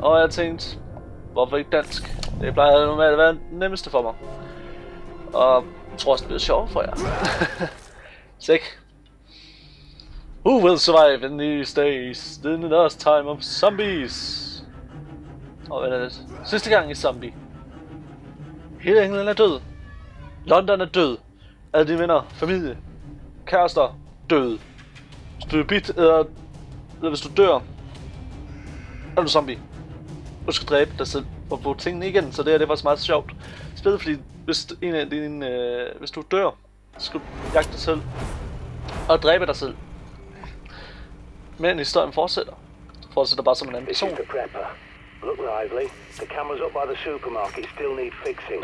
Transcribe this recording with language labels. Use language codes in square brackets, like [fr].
[da] Og jeg tænkte, hvorfor ikke dansk? Det plejer normalt at være nemmeste for mig. Og jeg tror også, det bliver sjovere for jer. [en] Sick. Who will survive in these days? Then it is time of zombies. [da] Og hvad er det? Sidste gang i Zombi. Hele England er død. London er død. Alle dine venner, familie, kærester, døde. Hvis du er bit, eller hvis du dør, er du zombie. Du skal dræbe dig selv og få tingene igen, så det her, det er faktisk meget sjovt. Spil, fordi hvis en af dine, hvis du dør, så skal du jagte dig selv og dræbe dig selv. Men historien fortsætter. Du fortsætter bare som en anden person. [en] Look lively. The cameras up by the supermarket still need fixing.